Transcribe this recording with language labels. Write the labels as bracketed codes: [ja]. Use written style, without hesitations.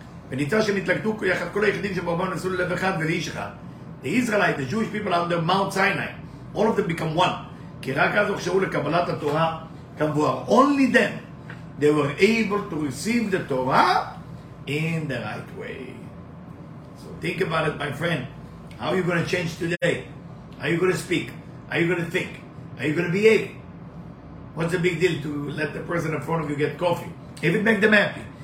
[he] ונמצא שהם התלכדו יחד כל היחידים שבאומה נסו ללב אחד ולאיש אחד. [en] The Israelite, the Jewish people are under Mount Sinai. All of them become one. [he] כי רק אז הוכשרו לקבלת התורה כמבואר. [en] Only them, they were able to receive the Torah in the right way. So think about it, my friend. How are you going to change today? How are you going to speak? How are you going to think? How are you going to behave? What's the big deal to let the person in front of you get coffee? If it makes them happy.